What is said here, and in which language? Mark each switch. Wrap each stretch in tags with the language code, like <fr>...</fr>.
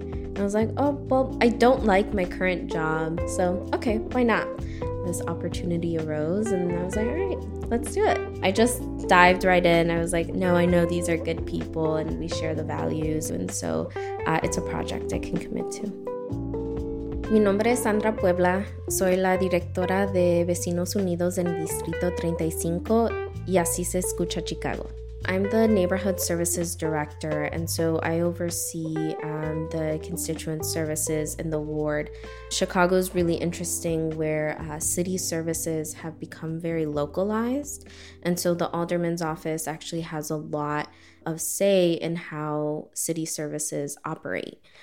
<en>And I was like, oh, well, I don't like my current job. So, okay, why not? This opportunity arose and I was like, all right, let's do it. I just dived right in. I was like, no, I know these are good people and we share the values. And so it's a project I can commit to.</en> <es>Mi nombre es Sandra Puebla, soy la directora de Vecinos Unidos en Distrito 35, y así se escucha Chicago.</es> <en>I'm the Neighborhood Services Director, and so I oversee the constituent services in the ward. Chicago is really interesting where city services have become very localized, and so the alderman's office actually has a lot of say in how city services operate.</en>